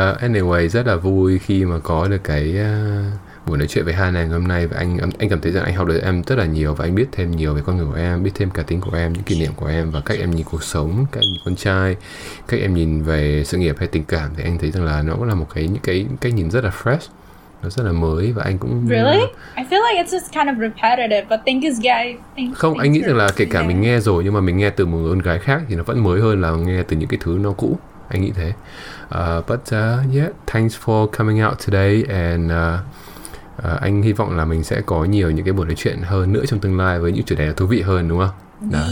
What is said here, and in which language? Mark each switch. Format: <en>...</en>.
<vi>Anyway, rất là vui khi mà có được cái buổi nói chuyện với Hannah ngày hôm nay, và anh cảm thấy rằng anh học được em rất là nhiều, và anh biết thêm nhiều về con người của em, biết thêm cả tính của em, những kỷ niệm của em, và cách em nhìn cuộc sống, cách em nhìn con trai, cách em nhìn về sự nghiệp hay tình cảm. Thì anh thấy rằng là nó cũng là một cái những cái cách nhìn rất là fresh, nó rất là mới, và anh cũng</vi> <en>really I feel like it's just kind of repetitive, but thank you guys.</en> <vi>Không, anh nghĩ rằng là kể cả mình nghe rồi, nhưng mà mình nghe từ một người con gái khác thì nó vẫn mới hơn là nghe từ những cái thứ nó cũ. Anh nghĩ thế.</vi> <en>But thanks for coming out today, and</en> <vi>anh hy vọng là mình sẽ có nhiều những cái buổi nói chuyện hơn nữa trong tương lai với những chủ đề thú vị hơn, đúng không?</vi>